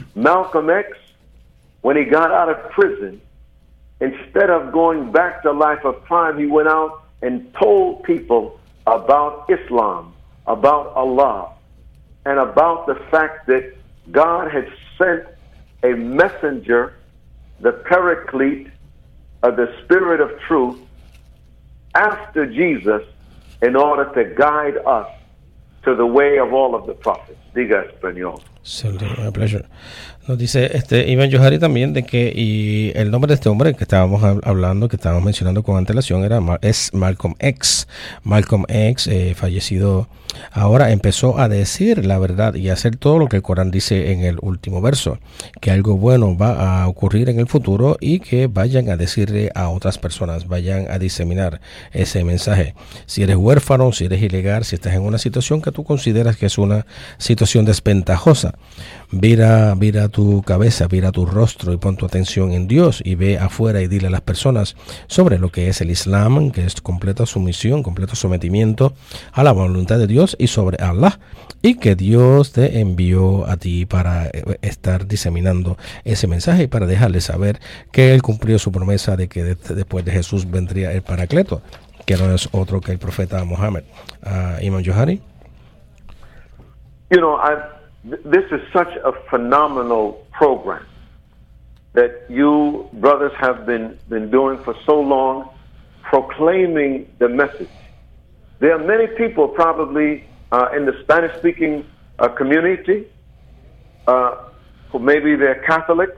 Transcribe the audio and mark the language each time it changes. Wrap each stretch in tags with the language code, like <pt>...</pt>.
<en>Malcolm X, when he got out of prison, instead of going back to life of crime, he went out and told people about Islam, about Allah, and about the fact that God had sent a messenger, the Paraclete, of the Spirit of Truth, after Jesus, in order to guide us to the way of all of the prophets.</en> <es>Diga español.</es> <en>Sí, a pleasure.</en> <es>Nos dice Iván Johari también de que y el nombre de este hombre que estábamos hablando, que estábamos mencionando con antelación, es Malcolm X. Malcolm X, fallecido ahora, empezó a decir la verdad y a hacer todo lo que el Corán dice en el último verso, que algo bueno va a ocurrir en el futuro y que vayan a decirle a otras personas, vayan a diseminar ese mensaje. Si eres huérfano, si eres ilegal, si estás en una situación que tú consideras que es una situación desventajosa, mira tu cabeza, mira tu rostro y pon tu atención en Dios y ve afuera y dile a las personas sobre lo que es el Islam, que es completa sumisión, completo sometimiento a la voluntad de Dios y sobre Allah, y que Dios te envió a ti para estar diseminando ese mensaje y para dejarle saber que él cumplió su promesa de que después de Jesús vendría el Paracleto, que no es otro que el profeta Muhammad.</es> <en>Imam Johari. You know, this is such a phenomenal program that you brothers have been doing for so long, proclaiming the message. There are many people probably in the Spanish-speaking community who maybe they're Catholic.</en>